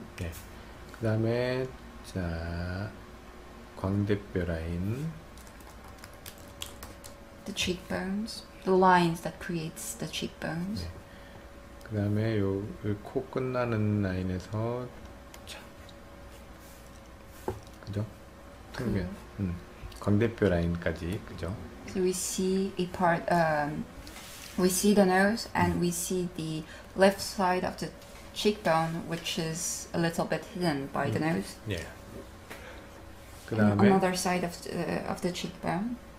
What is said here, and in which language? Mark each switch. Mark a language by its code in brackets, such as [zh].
[ko] 네, 그다음에 자 광대뼈 라인, [en] The cheekbones, the lines that creates the cheekbones. [ko] 그다음에 요코 끝나는 라인에서 그죠? 턱면, 광대뼈 라인까지 그죠? [en] So we see a part, we see the nose and we see the left side of the cheekbone, which is a little bit hidden by the nose. Yeah. And [ko] 그다음에 [en] another side of the cheekbone.